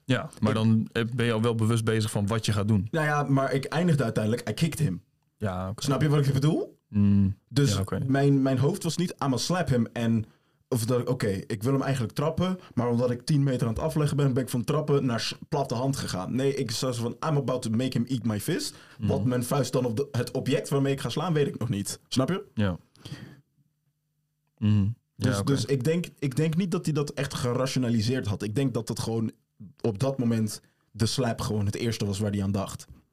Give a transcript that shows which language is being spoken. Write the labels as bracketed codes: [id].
[nl] Ja, maar dan ben je al wel bewust bezig van wat je gaat doen. Nou ja, maar ik eindigde uiteindelijk, [en] I kicked him. [nl] Ja, okay. Snap je wat ik bedoel? Mm. Dus ja, okay. mijn hoofd was niet, [en] I'm gonna slap him. [nl] En of dat ik, oké, ik wil hem eigenlijk trappen, maar omdat ik 10 meter aan het afleggen ben ik van trappen naar platte hand gegaan. Nee, ik zou zo van, [en] I'm about to make him eat my fist. [nl] Mm. Wat mijn vuist dan op het object waarmee ik ga slaan, weet ik nog niet. Snap je? Ja. Dus, ja, okay. Dus ik denk niet dat hij dat echt gerationaliseerd had. Ik denk dat het gewoon op dat moment de slap gewoon het eerste was waar hij aan dacht.